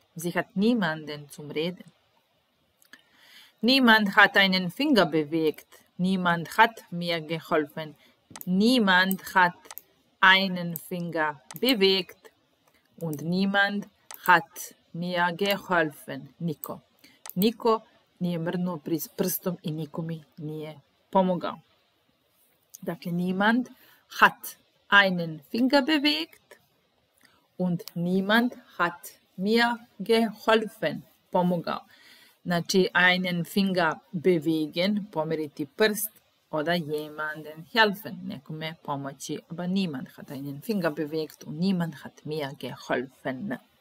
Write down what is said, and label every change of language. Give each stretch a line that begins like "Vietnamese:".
German: Sie hat niemanden zum reden. Niemand hat einen Finger bewegt. Niemand hat mir geholfen. Niemand hat einen Finger bewegt und niemand hat mir geholfen.
Serbian: Niko. Niko nije mrdnuo prstom i niko mi nije pomogao. Dakle,
German: niemand hat einen Finger bewegt und niemand hat mir geholfen.
Serbian: Pomogao. Znači,
German: einen Finger bewegen,
Serbian: pomeriti prst,
German: oder jemanden helfen,
Serbian: nekome pomoći,
German: aber niemand hat einen Finger bewegt und niemand hat mir geholfen.